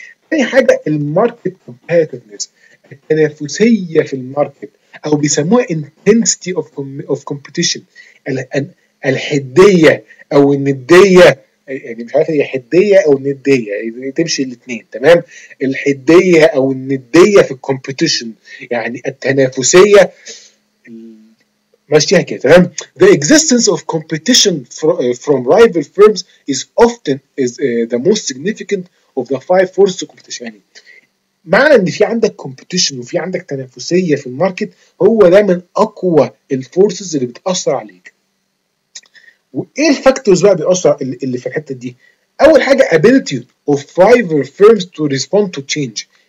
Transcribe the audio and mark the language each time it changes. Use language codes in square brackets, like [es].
[ar] ثاني حاجه الماركت كومبيتيتنس، التنافسيه في الماركت، او بيسموها [en] intensity of competition، [ar] الحديه او النديه، يعني مش عارف هي حديه او نديه، يعني تمشي الاثنين، تمام، الحديه او النديه في الكومبيتيشن، يعني التنافسيه ماشيها كده، تمام. [en] The existence of competition from rival firms is often is the most significant of the five forces of competition. [ar] معنى ان في عندك كومبيتيشن وفي عندك تنافسيه في الماركت، هو ده من اقوى الفورسز اللي بتاثر عليك. وايه الفاكتورز بقى بيأثر اللي في الحته دي؟ اول حاجه [en] ability of rival firms to respond to change.